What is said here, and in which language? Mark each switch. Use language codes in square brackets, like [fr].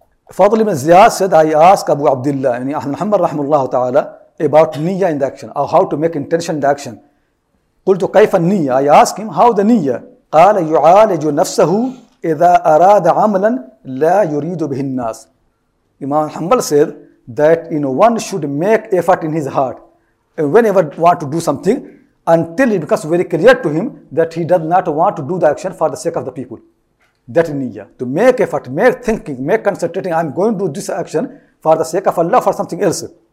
[en] Fadl ibn Ziyad said, I asked Abu Abdullah, yani Ahmad Muhammad rahmullah ta'ala, about niyyah in the action, or how to make intention in the action. [ar] Qultu kayfa niyyah? [en] I asked him, how the niyyah? [ar] قال يعالج نفسه إذا أراد عملا لا يريد به الناس. [en] Imam Hanbal said that, you know, one should make effort in his heart whenever want to do something, until it becomes very clear to him that he does not want to do the action for the sake of the people. That is niyyah. To make effort, make thinking, make concentrating, I'm going to do this action for the sake of Allah, for something else.